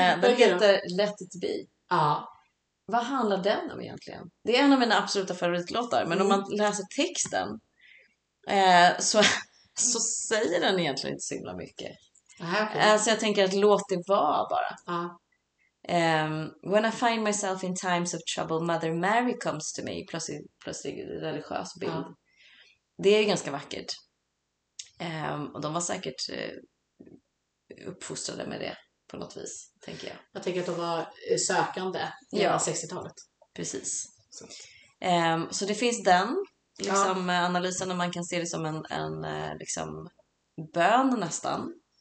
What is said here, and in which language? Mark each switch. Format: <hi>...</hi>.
<sv>Den heter Let It Be. Ja. Vad handlar den om egentligen? Det är en av mina absoluta favoritlåtar. Men om man läser texten så säger den egentligen inte så himla mycket. Så jag tänker att låt det vara bara.</sv> <en>When I find myself in times of trouble, Mother Mary comes to me.</en> <sv>Plötsligt religiös bild. Det är ju ganska vackert. Och de var säkert uppfostrade med det. På något vis, tänker jag. Jag tänker att de var sökande i 60-talet. Precis. Så det finns den liksom, analysen, och man kan se det som en liksom, bön nästan.</sv>